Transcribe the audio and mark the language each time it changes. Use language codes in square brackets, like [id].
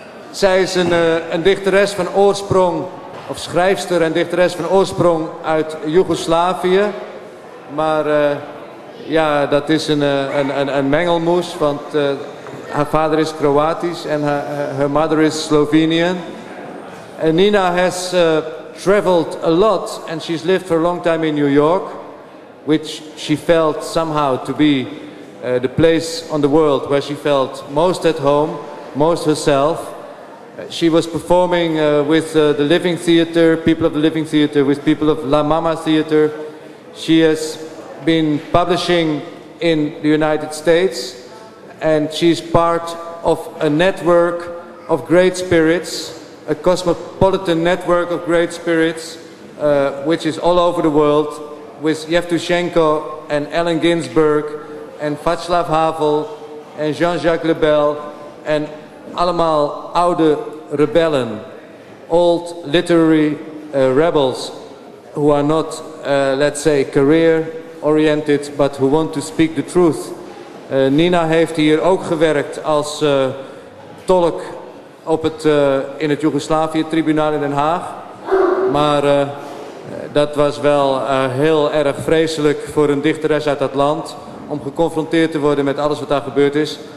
[nl] Zij is een dichteres van oorsprong, of schrijfster en dichteres van oorsprong uit Joegoslavië. Maar ja, dat is een mengelmoes, want haar vader is Kroatisch en haar [en] mother is Slovenian. En Nina has traveled a lot and she's lived for a long time in New York, which she felt somehow to be the place on the world where she felt most at home, most herself. She was performing with the Living Theater, people of the Living Theater, with people of La Mama Theater. She has been publishing in the United States, and she's part of a network of great spirits, a cosmopolitan network of great spirits, which is all over the world, with Yevtushenko and Allen Ginsberg and Václav Havel and Jean-Jacques Lebel and [nl] allemaal oude rebellen, [en] old literary rebels who are not, let's say, career-oriented, but who want to speak the truth. [nl] Nina heeft hier ook gewerkt als tolk op het, in het Joegoslavië-tribunaal in Den Haag. Maar dat was wel heel erg vreselijk voor een dichteres uit dat land om geconfronteerd te worden met alles wat daar gebeurd is.